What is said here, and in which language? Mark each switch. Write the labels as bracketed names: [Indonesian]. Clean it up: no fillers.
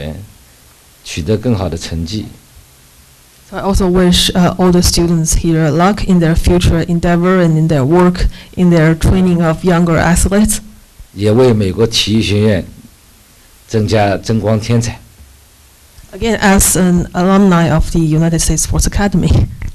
[Chinese] 所以我们希望我们20位学员在未来的岁月里面能够带出更好的运动员，取得更好的成绩。 [English] So I also wish all the students here luck in their future endeavor and in their work, in their training of younger athletes. [Chinese] 也为美国体育学院增光添彩。 [English] Again, as an alumni of the United States Sports Academy.